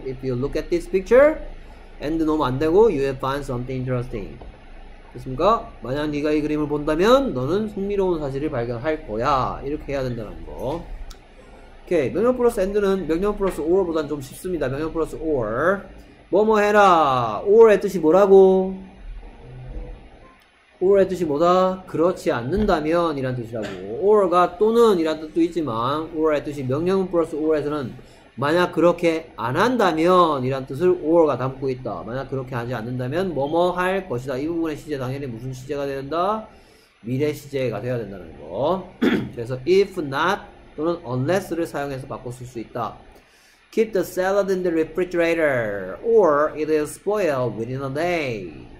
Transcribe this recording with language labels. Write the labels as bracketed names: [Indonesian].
[English] if you look at this picture end [Korean] 넣으면 안 되고 [English] you will find something interesting. [Korean] 됐습니까? 만약 네가 이 그림을 본다면 너는 흥미로운 사실을 발견할 거야. 이렇게 해야 된다는 거. 오케이. 명령 플러스 end는 명령 플러스 or 보단 좀 쉽습니다. 명령 플러스 or. 뭐뭐 해라. or의 뜻이 뭐라고? or의 뜻이 뭐다? 그렇지 않는다면 이란 뜻이라고. or가 또는 이란 뜻도 있지만, or의 뜻이 명령 플러스 or에서는 만약 그렇게 안 한다면 이란 뜻을 or가 담고 있다. 만약 그렇게 하지 않는다면 뭐뭐 할 것이다. 이 부분의 시제 당연히 무슨 시제가 되어야 된다? 미래 시제가 되어야 된다는 거. 그래서 if not 또는 unless를 사용해서 바꿨을 수 있다. [English] Keep the salad in the refrigerator or it will spoil within a day.